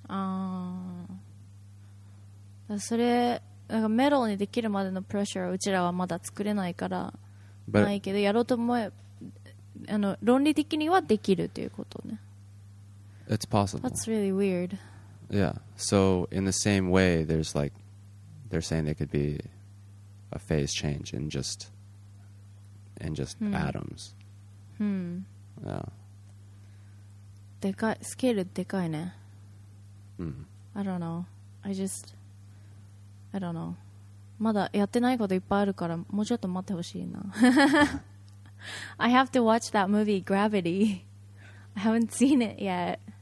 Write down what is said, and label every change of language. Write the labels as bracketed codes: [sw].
[ja] それなんかメタルにできるまでのプレッシャーはうちらはまだ作れないからないけど、やろうと思えば、論理的にはできるということね。 [en] It's possible. That's really weird. Yeah. So in the same way, there's like they're saying there could be a phase change in just atoms. Yeah. [ja] でかい、スケールでかいね。 [en] I don't know. I don't know. [ja] まだやってないこといっぱいあるから、もうちょっと待ってほしいな。 [en] I have to watch that movie Gravity. I haven't seen it yet.